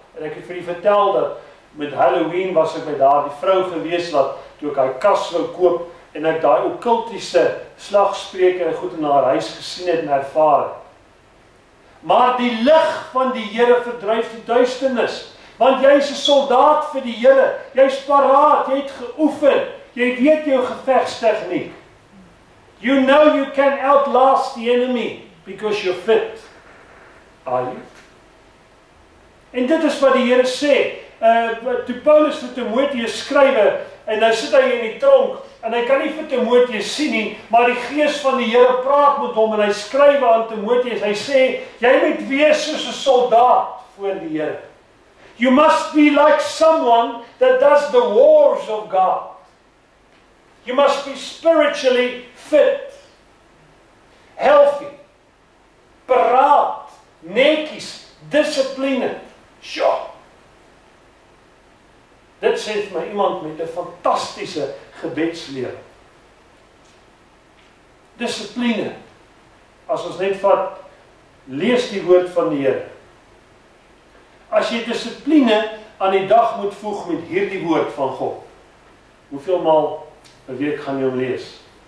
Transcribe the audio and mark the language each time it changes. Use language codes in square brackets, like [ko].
[af] En ek het vir die vertel dat met Halloween was ek by daardie vrou gewees wat toe ek haar kas wou koop en ek daai okkultiese slagspreuke en goed in haar huis gesien het en ervaar het. Maar die lig van die Here verdryf die duisternis, want jy is 'n soldaat vir die Here. Jy's paraat, jy het geoefen. Jy weet jou gevegstegniek. [en] You know you can outlast the enemy because you're fit. Are you? [af] En dit is wat die Here sê. Toe Paulus vir Timoteus skrywe, en nou sit hy in die tronk, en hy kan nie vir Timoteus sien nie, maar die Gees van die Here praat met hom, en hy skrywe aan Timoteus, hy sê, jy moet wees soos 'n soldaat voor die Here. [en] You must be like someone that does the wars of God. You must be spiritually fit, healthy, [af] paraat, netjies, [en] disciplined. [af] Sjoe! Dit sê vir my iemand met 'n fantastiese gebedslewe. Disipline. As ons net vat, lees die woord van die Here. As jy disipline aan die dag moet voeg met hierdie woord van God, hoeveel maal 'n week gaan jy hom lees?